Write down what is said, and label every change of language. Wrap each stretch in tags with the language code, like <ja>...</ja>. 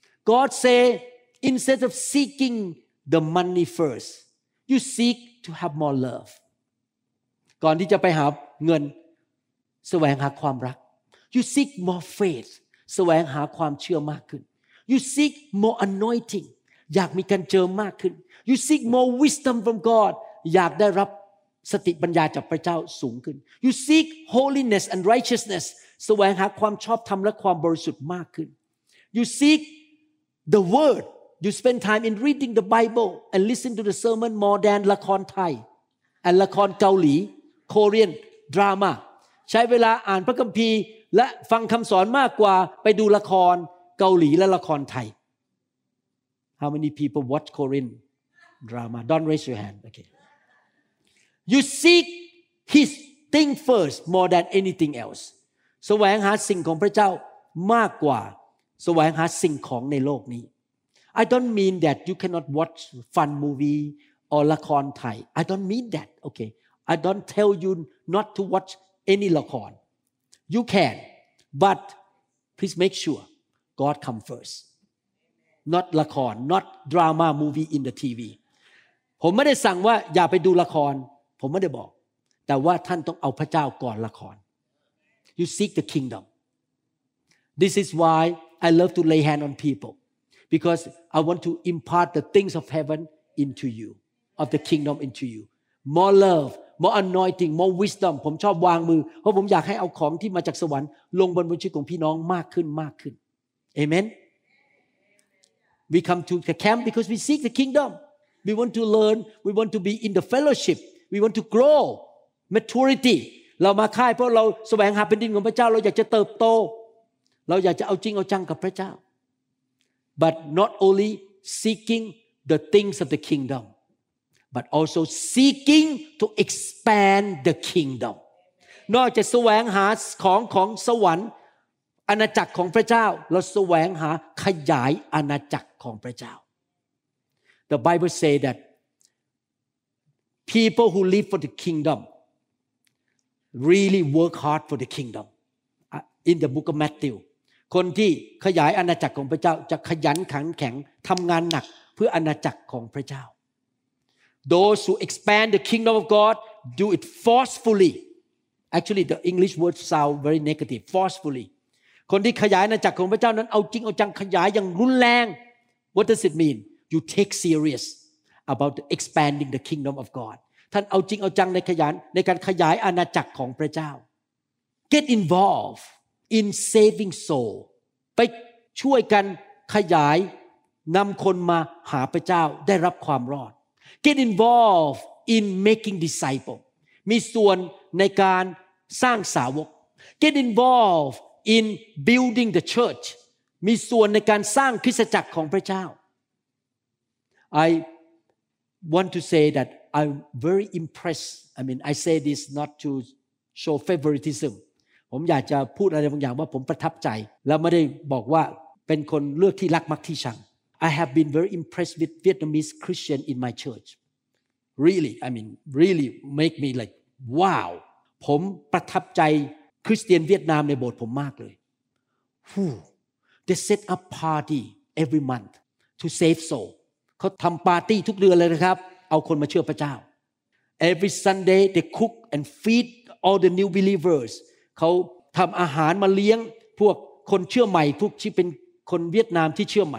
<en>God say instead of seeking the money first you seek to have more love</en> <th>ก่อนที่จะไปหาเงินแสวงหาความรัก</th> <en>you seek more faith</en> <th>แสวงหาความเชื่อมากขึ้น</th> <en>You seek more anointing.</en> <th>อยากมีการเจิมมากขึ้น</th> <en>You seek more wisdom from God.</en> <th>อยากได้รับสติปัญญาจากพระเจ้าสูงขึ้น</th> <en>You seek holiness and righteousness.</en> <th>แสวงหาความชอบธรรมและความบริสุทธิ์มากขึ้น</th> <en>You seek the word. You spend time in reading the Bible and listen to the sermon more than</en> <th>ละครไทยและละครเกาหลี</th> <en>Korean drama.</en> <th>ใช้เวลาอ่านพระคัมภีร์และฟังคำสอนมากกว่าไปดูละครเกาหลีและละครไทย</th> <en>How many people watch Korean drama? Don't raise your hand. Okay. You seek His thing first more than anything else.</en> <th>แสวงหาสิ่งของพระเจ้ามากกว่าแสวงหาสิ่งของในโลกนี้</th> <en>I don't mean that you cannot watch fun movie or ละครไทย I don't mean that. Okay. I don't tell you not to watch any ละคร You can, but please make sureGod come first. Not ละคร not drama movie in the TV.</en> <th>ผมไม่ได้สั่งว่าอย่าไปดูละครผมไม่ได้บอกแต่ว่าท่านต้องเอาพระเจ้าก่อนละคร</th> <en>You seek the kingdom. This is why I love to lay hand on people. Because I want to impart the things of heaven into you. Of the kingdom into you. More love, more anointing, more wisdom.</en> <th>ผมชอบวางมือเพราะผมอยากให้เอาของที่มาจากสวรรค์ลงบนชีวิตของพี่น้องมากขึ้นมากขึ้นAmen.</th> <en>We come to the camp because we seek the kingdom. We want to learn. We want to be in the fellowship. We want to grow maturity.</en> <th>เรามาค่ายเพราะเราแสวงหาแผ่นดินของพระเจ้าเราอยากจะเติบโตเราอยากจะเอาจริงเอาจังกับพระเจ้า</th> <en>But not only seeking the things of the kingdom, but also seeking to expand the kingdom.</en> <th>นอกจากแสวงหาของสวรรค์อาณาจักรของพระเจ้าเราแสวงหาขยายอาณาจักรของพระเจ้า</th> <en>The Bible say that people who live for the kingdom really work hard for the kingdom in the book of Matthew</en> <th>คนที่ขยายอาณาจักรของพระเจ้าจะขยันขันแข็งทำงานหนักเพื่ออาณาจักรของพระเจ้า</th> <en>Those who expand the kingdom of God do it forcefully Actually the English word sound very negative forcefully</en> <th>คนที่ขยายอาณาจักรของพระเจ้านั้นเอาจริงเอาจังขยายอย่างรุนแรง</th> <en>What does it mean? You take serious about expanding the kingdom of God.</en> <th>ท่านเอาจริงเอาจังในขยันในการขยายอาณาจักรของพระเจ้า</th> <en>Get involved in saving soul.</en> <th>ไปช่วยกันขยายนำคนมาหาพระเจ้าได้รับความรอด</th> <en>Get involved in making disciples.</en> <th>มีส่วนในการสร้างสาวก</th> <en>Get involvedIn building the church,</en> <th>มีส่วนในการสร้างคริสตจักรของพระเจ้า</th> <en>I want to say that I'm very impressed. I mean, I say this not to show favoritism.</en> <th>ผมอยากจะพูดอะไรบางอย่างว่าผมประทับใจแล้วไม่ได้บอกว่าเป็นคนเลือกที่รักมักที่ชัง</th> <en>I have been very impressed with Vietnamese Christian in my church. Really, I mean, really make me like, wow.</en> <th>ผมประทับใจคริสเตียนเวียดนามในโบสถ์ผมมากเลย</th> <en>They set up party every month to save soul</en> <th>เขาทำปาร์ตี้ทุกเดือนเลยนะครับเอาคนมาเชื่อพระเจ้า</th> <en>Every Sunday they cook and feed all the new believers</en> <th>เขาทำอาหารมาเลี้ยงพวกคนเชื่อใหม่พวกที่เป็นคนเวียดนามที่เชื่อใหม</th>